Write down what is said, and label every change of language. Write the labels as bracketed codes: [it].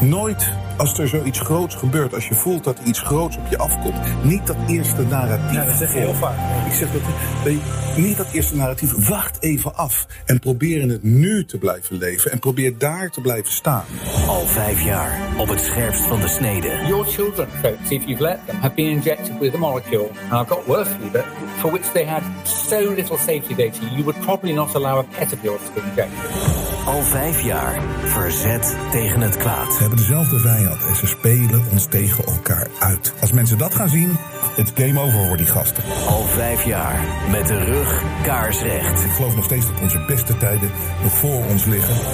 [nl] Nooit als er zoiets groots gebeurt, als je voelt dat iets groots op je afkomt. Niet dat eerste narratief. Ja, dat zeg je heel vaak. Ik zeg dat niet dat eerste narratief. Wacht even af en probeer in het nu te blijven leven. En probeer daar te blijven staan. Al vijf jaar op het scherpst van de snede. [en] Your children, folks, if you've let them, have been injected with a molecule. And I've got word for you, but for which they had so little safety data, you would probably not allow a pet of yours to be injected. [nl] Al vijf jaar verzet tegen het kwaad. We hebben dezelfde vijand en ze spelen ons tegen elkaar uit. Als mensen dat gaan zien, het game over voor die gasten. Al vijf jaar met de rug kaarsrecht. Ik geloof nog steeds dat onze beste tijden nog voor ons liggen.